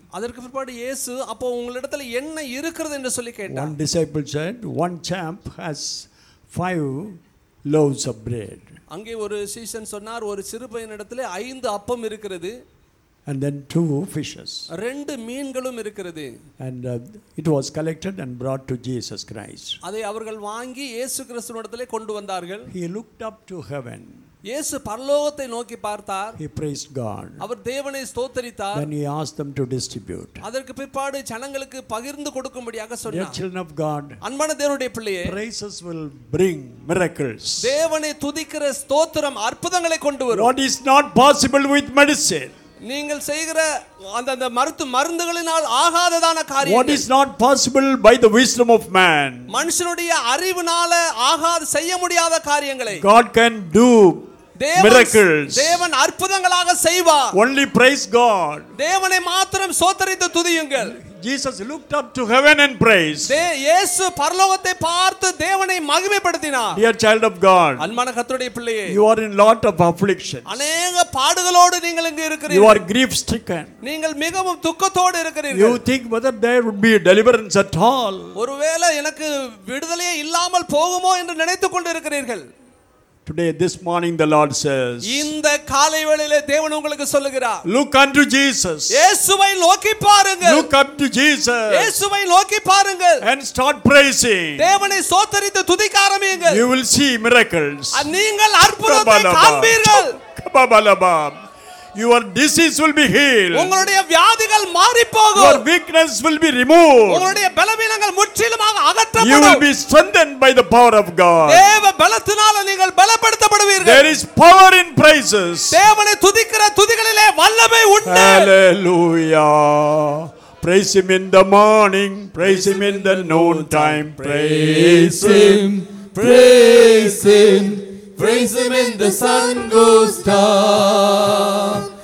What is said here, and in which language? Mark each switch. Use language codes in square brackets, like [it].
[ta] அதற்கு பிற்பாடு இயேசு, அப்போ உங்களிடத்தில் என்ன இருக்கிறது என்று சொல்லி கேட்டார். [en] One disciple said, one champ has 5 loaves of bread. [ta] அங்கே ஒரு சீஷன் சொன்னார், ஒரு சிறு பையனிடத்தில் 5 அப்பம் இருக்கிறது. [en] And then 2 fishes. [ta] ரெண்டு மீன்களும் இருக்கிறது. [en] And it was collected and brought to Jesus Christ. [ta] அதை அவர்கள் வாங்கி இயேசு கிறிஸ்துவினிடத்திலே கொண்டு வந்தார்கள். [en] He looked up to heaven. [ta] இயேசு பரலோகத்தை நோக்கி பார்த்தார். [en] He praised God. [ta] அவர் தேவனை ஸ்தோத்தரித்தார். [en] Then he asked them to distribute. [ta] அதற்கு பிற்பாடு ஜனங்களுக்கு பகிர்ந்து கொடுக்கும்படியாக சொன்னார். [en] Dear children of God. [ta] அன்பான தேவனுடைய பிள்ளையே. [en] Praises will bring miracles. [ta] தேவனை துதிக்கிற ஸ்தோத்திரம் அற்புதங்களை கொண்டு வரும். [en] What is not possible with medicine. [ta] நீங்கள் செய்கிற அந்த மருத்து மருந்துகளினால் ஆகாததான காரியம். [en] What is not possible by the wisdom of man. [ta] மனுஷனுடைய அறிவினால ஆகாத செய்ய முடியாத காரியங்களை [en] God can do. Miracles. [ta] தேவன் அற்புதங்களாக செய்வார். [en] Only praise God. [ta] தேவனை மாத்திரம் ஸ்தோத்தரித்து துதியுங்கள். [en] Jesus looked up to heaven and praised. [ta] தே இயேசு பரலோகத்தை பார்த்து தேவனை மகிமைப்படுத்தினார். [en] Dear child of God. [ta] அன்பான கர்த்தருடைய பிள்ளையே. [en] You are in lot of afflictions. [ta] அநேக பாடுகளோடு நீங்கள் இங்கு இருக்கிறீர்கள். [en] You are grief stricken. [ta] நீங்கள் மிகவும் துக்கத்தோடு இருக்கிறீர்கள். [en] You think whether there would be a deliverance at all. [ta] ஒருவேளை எனக்கு விடுதலையே இல்லாமல் போகுமோ என்று நினைத்துக் கொண்டிருக்கிறீர்கள். [en] Today this morning the Lord says [ta] இந்த காலை வேளையிலே தேவன் உங்களுக்கு சொல்கிறார். [en] Look unto Jesus. [ta] இயேசுவை நோக்கி பாருங்கள். [en] Look up to Jesus. [ta] இயேசுவை நோக்கி பாருங்கள். [en] And start praising. [ta] தேவனை ஸ்தோத்தரித்து துதிக்க ஆரம்பியுங்கள். [en] You will see miracles. [ta] நீங்கள் அற்புதங்களை காண்பீர்கள். கபபலபம். [en] Your disease will be healed. [ta] உங்களுடைய வியாதிகள் மாறி போகும். [en] Your weakness will be removed. [ta] உங்களுடைய பலவீனங்கள் முற்றிலுமாக அகற்றப்படும். [en] You will be strengthened by the power of God. [ta] தேவ பலத்தினால் நீங்கள் பலப்படுத்தப்படுவீர்கள். [en] There is power in praises. [ta] தேவனை துதிக்கிற துதிகளிலே வல்லமை உண்டு. [en] Hallelujah. Praise him in the morning, praise him in the noon time, praise him, praise him. Praise him in the sun goes down.